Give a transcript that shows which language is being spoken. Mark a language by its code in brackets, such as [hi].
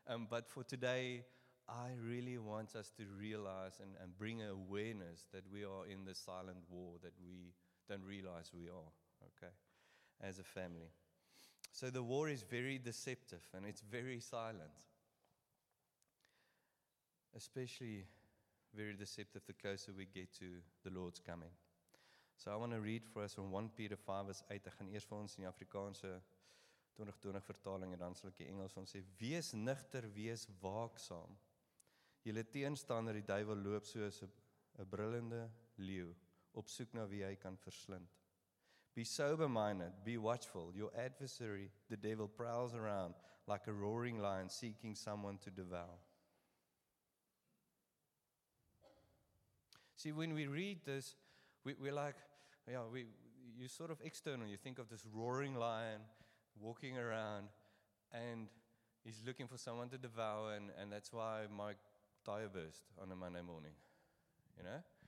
[en] But for today, I really want us to realize and bring awareness that we are in this silent war that we don't realize we are, okay, as a family. So the war is very deceptive and it's very silent. Especially very deceptive the closer we get to the Lord's coming. So I want to read for us from 1 Peter 5 verse 8. [af] Ek gaan eers vir ons in die Afrikaanse 2020 vertaling en dan sal ek die Engels ons sê, wees nigter, wees waaksaam. Julle teenstander die duivel loop soos 'n brullende leeu op soek na wie hy kan verslind. [en] Be sober-minded, be watchful. Your adversary, the devil, prowls around like a roaring lion seeking someone to devour. See, when we read this, we're like, yeah, you sort of external. You think of this roaring lion walking around and he's looking for someone to devour, and that's why my tire burst on a Monday morning, you know?